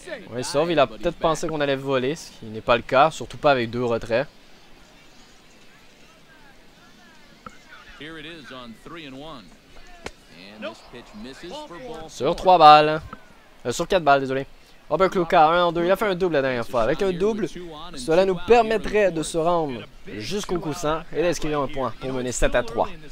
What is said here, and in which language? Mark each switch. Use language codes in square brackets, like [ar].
[fr] Oui, sauf, il a peut-être pensé qu'on allait voler, ce qui n'est pas le cas, surtout pas avec 2 retraits. [en] Here it is on 3-1. And this pitch misses for ball. [fr] Sur 3 balles. Sur 4 balles, désolé. Robert Klucka, 1-2. Il a fait un double la dernière fois. Avec un double, cela nous permettrait de se rendre jusqu'au coussin et d'inscrire un point pour mener 7-3.